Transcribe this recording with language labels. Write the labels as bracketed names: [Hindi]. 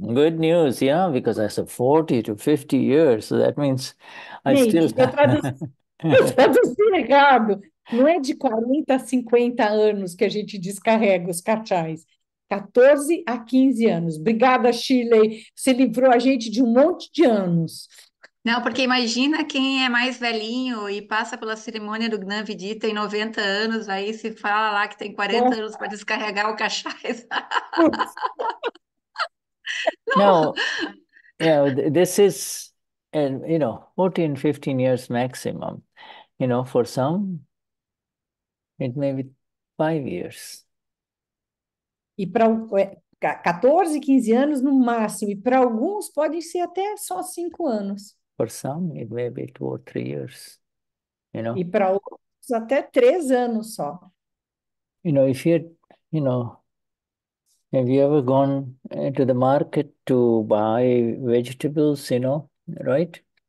[English] Good news, yeah, because I said 40 to 50 years, so that means I [Portuguese] Gente, [English] still... [Portuguese] Eu traduzi errado. Não é de 40 a 50 anos que a gente descarrega os cachais. 14 a 15 anos. Obrigada, Shirley. Você livrou a gente de um monte de anos. Não, porque imagina quem é mais velhinho e passa pela cerimônia do Gnan Vidhi, tem 90 anos, aí se fala lá que tem 40 anos para descarregar o cachaça. [English] Não. Yeah, this is, you know, 14, 15 years maximum. You know, for some, it may be 5 years. [Portuguese] E para 14, 15 anos no máximo, e para alguns podem ser até só 5 anos. [English] For some, it may be 2 or 3 years, you know. [Portuguese] E para outros, até 3 anos só. [English] You know, if you, you know, have you ever gone to the market to buy vegetables, you know, right?